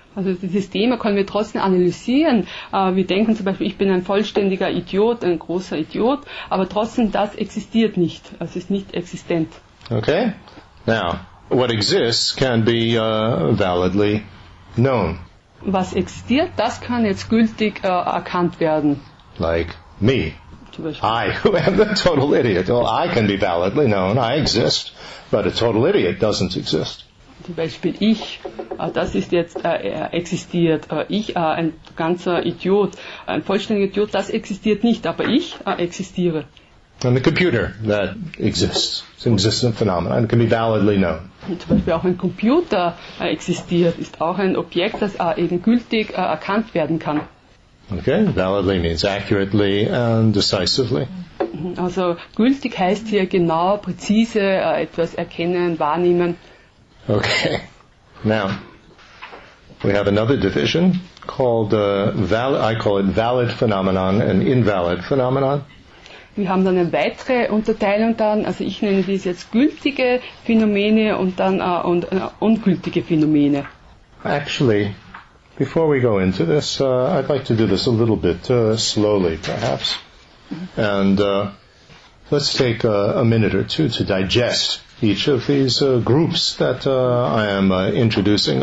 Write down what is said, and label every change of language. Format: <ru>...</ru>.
<de>Also dieses Thema können wir trotzdem analysieren. Wir denken zum Beispiel, ich bin ein vollständiger Idiot, ein großer Idiot, aber trotzdem, das existiert nicht. Also es ist nicht existent.</de> <en>Okay. Now, what exists can be validly known.</en> <de>Was existiert, das kann jetzt gültig erkannt werden.</de> <en>Like me. I, who am the total idiot. Well, I can be validly known, I exist, but a total idiot doesn't exist.</en> <de>Zum Beispiel ich, das ist jetzt existiert. Ich, ein ganzer Idiot, ein vollständiger Idiot, das existiert nicht, aber ich existiere.</de> <en>And the computer that exists, it's an existent phenomenon, and can be validly known.</en> <de>Zum Beispiel auch ein Computer existiert, ist auch ein Objekt, das eben gültig erkannt werden kann.</de> <en>Okay, validly means accurately and decisively.</en> <de>Also gültig heißt hier genau, präzise etwas erkennen, wahrnehmen.</de> <en>Okay, now we have another division called valid phenomenon and invalid phenomenon.</en> <de>Wir haben dann eine weitere Unterteilung dann, also ich nenne dies jetzt gültige Phänomene und dann ungültige Phänomene.</de> <en>Actually, before we go into this, I'd like to do this a little bit slowly, perhaps. And let's take a minute or two to digest each of these groups that I am introducing.</en>